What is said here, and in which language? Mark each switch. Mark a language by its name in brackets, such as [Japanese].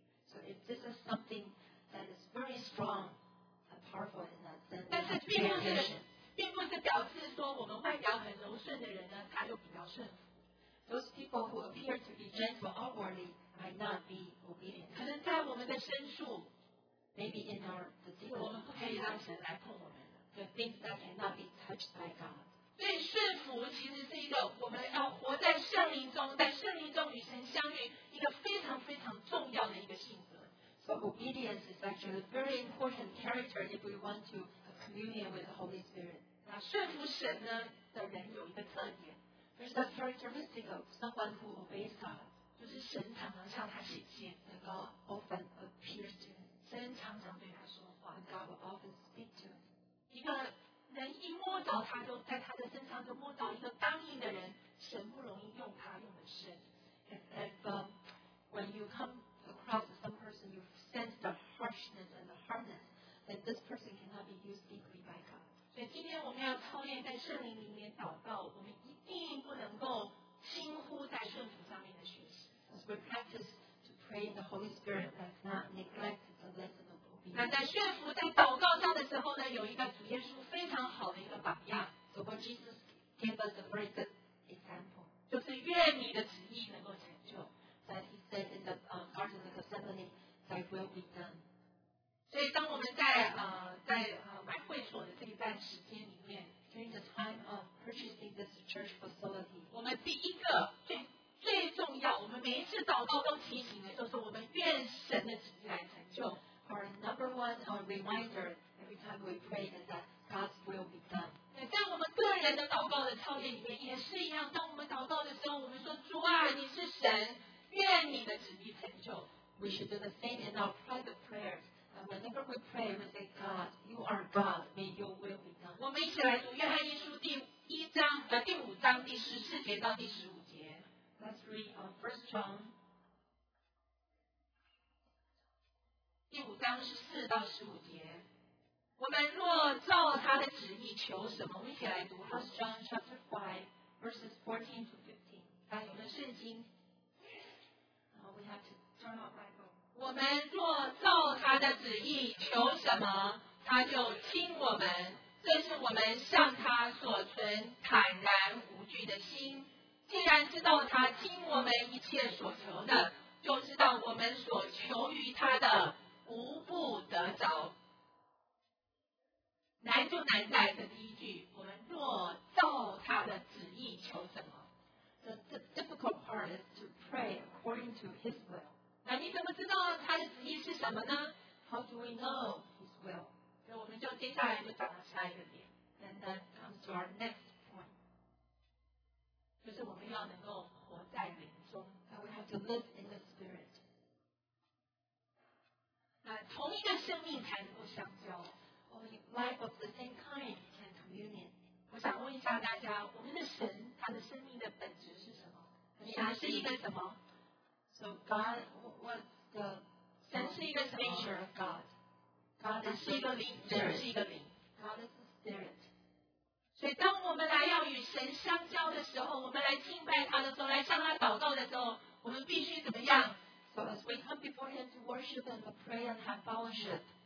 [English] So if this is something that is very strong and powerful in that sense, [Chinese] 但是并不是表示说我们外表很柔顺的人呢，他就比较顺服。 [English] Those people who appear to be gentle outwardly might not be obedient. [Chinese] 可能在我们的深处 [English] ，maybe in our deep, [Chinese] 我们不可以让神来碰我们的 [English] ，the things that cannot be touched by God. [Chinese] 所以顺服其实是一个我们要活在圣灵中，在圣灵中与神相遇一个非常非常重要的一个性格。 [English] So obedience is actually a very important character if we want to have communion with the Holy Spirit. [Chinese] 那顺服神呢的人有一个特点 [English] ，There's a characteristic of someone who obeys God， [Chinese] 就是神常常向他显现 [English] ，and God often appears to him， [Chinese] 神常常对他说话 [English] ，and God will often speak to him。 [Chinese] 人一摸着他就在他的身上就摸到一个刚硬的人，神不容易用他用的深。 [English] If when you come across some person, you sense the harshness and the hardness, then this person cannot be used deeply by God. [Chinese] 所以今天我们要操练在圣灵里面祷告，我们一定不能够轻忽在顺服上面的学习。 [English] As we practice to pray in the Holy Spirit, let's not neglect the Lord. [Chinese] 那在顺服在祷告上的时候呢，有一个主耶稣非常好的一个榜样。 [English] So what Jesus gave us a very good example. [Chinese] 就是愿你的旨意能够成就。 [English] That he said in the Garden of Gethsemane, thy will be done. [Chinese] 所以当我们在买会所的这一段时间里面 [English] ，during the time of purchasing this church facility, [Chinese] 我们第一个最重要，我们每一次祷告都提醒的，就是我们愿神的旨意来成就。 [English] Our number one our reminder every time we pray is that God's will be done. [Chinese] 对，在我们个人的祷告的操练里面也是一样。当我们祷告的时候，我们说：“主啊，你是神，愿你的旨意成就。” [English] We should do the same in our private prayers. Whenever we pray, we say, "God, you are God. May your will be done." [Chinese] 我们一起来读《约翰一书》第一章的第五章第十四节到第十五节。 [English] Let's read on First John. [Chinese] 第五章是四到十五节，我们若照他的旨意求什么，我们一起来读 [English] First John chapter 5 verses 14 to 15。 [Chinese] 来，我们圣经。 [English] We have to turn our Bible. [Chinese] 我们若照他的旨意求什么，他就听我们，这是我们向他所存坦然无惧的心。既然知道他听我们一切所求的，就知道我们所求于他的。无不得着，难就难在这第一句，我们若照他的旨意求什么。 [English] The difficult part is to pray according to his will. [Chinese] 那你怎么知道他的旨意是什么呢？ [English] How do we know his will? [Chinese] 所以我们就接下来就找到下一个点。 [English] And that comes to our next point. [Chinese] 就是我们要能够活在灵中。 [English] That we have to live in the spirit. [Chinese] 同一个生命才能够相交。 [English] Only life of the same kind can communion. [Chinese] 我想问一下大家，我们的神他的生命的本质是什么？神是一个什么？ [English] So God, what's the [Chinese] 神是一个什么？ [English] Nature of God. God is [Chinese] 是一个灵，神是一个灵。 [English] God is a spirit. [Chinese] 所以当我们来要与神相交的时候，我们来敬拜他的时候，来向他祷告的时候，我们必须怎么样？ [English] So as we come before him to worship and to pray and have fellowship,